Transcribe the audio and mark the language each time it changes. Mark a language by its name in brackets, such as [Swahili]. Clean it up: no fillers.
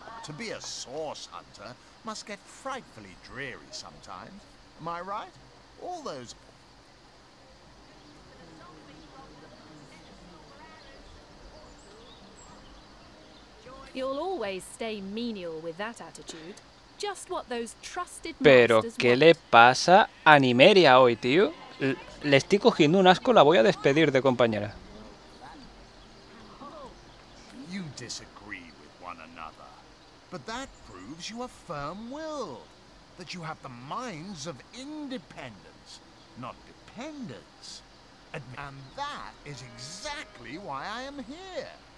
[English] To be a source hunter must get frightfully dreary sometimes. Am I right? All those... You'll always stay menial with that attitude. Just what those trusted [Spanish] Pero ¿qué le pasa a Nymeria hoy, tío? Le estoy cogiendo un asco, la voy a despedir de compañera. [English] You disagree with one another. But that proves you are firm-willed, that you have the minds of independence, not dependence. And that is exactly why I am here.